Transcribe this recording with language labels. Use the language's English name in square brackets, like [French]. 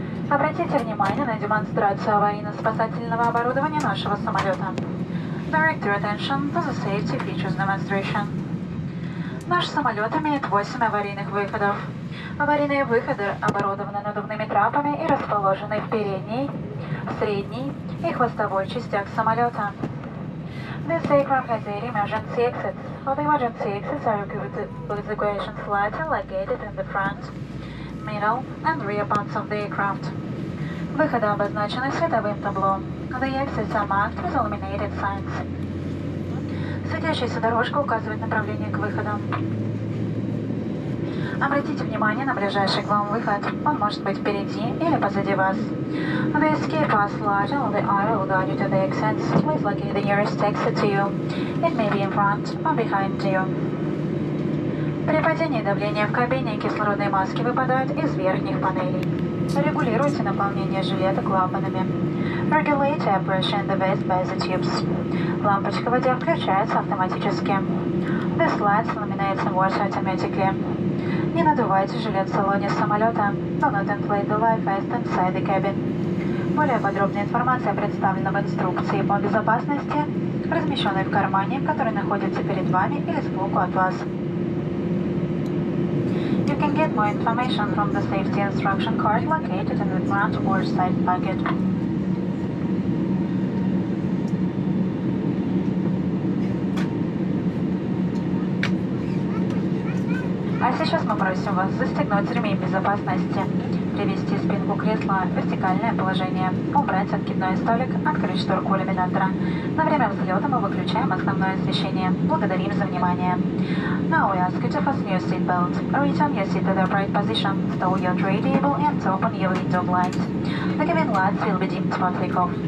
[Russian] Обратите внимание на демонстрацию аварийно-спасательного оборудования нашего самолета. [English] Direct your attention to the safety features demonstration. [Russian] Наш самолет имеет 8 аварийных выходов. Аварийные выходы оборудованы надувными трапами и расположены в передней, средней и хвостовой частях самолета. [English] This aircraft has 8 emergency exits. All the emergency exits are equipped with evacuation slats and located in the front, middle and rear parts of the aircraft. [Russian] Выходы обозначены световым табло. [English] The exits are marked with illuminated signs. [Russian] Светящаяся дорожка указывает направление к выходам. Обратите внимание на ближайший к вам выход. Он может быть впереди или позади вас. [English] The escape path light on the aisle will guide you to the exits. Please locate the nearest exit to you. It may be in front or behind you. [Russian] При падении давления в кабине кислородные маски выпадают из верхних панелей. Регулируйте наполнение жилета клапанами. [English] Regulate air pressure in the vest by the tubes. [Russian] Лампочка в воде включается автоматически. [English] The slats illuminate the water automatically. [Russian] Не надувайте жилет в салоне самолета. [English] Do not inflate the life vest inside the cabin. [Russian] Более подробная информация представлена в инструкции по безопасности, размещенной в кармане, который находится перед вами или сбоку от вас. [English] You can get more information from the safety instruction card located in the front or side pocket. [Russian] А сейчас мы просим вас застегнуть ремень безопасности, привести спинку кресла в вертикальное положение, убрать откидной столик, открыть шторку иллюминатора. На время взлета мы выключаем основное освещение. Благодарим за внимание. [English] Now we ask you to fasten your seatbelt, return your seat to the upright position, stow your tray table and open your window blinds. The cabin lights will be dimmed for takeoff.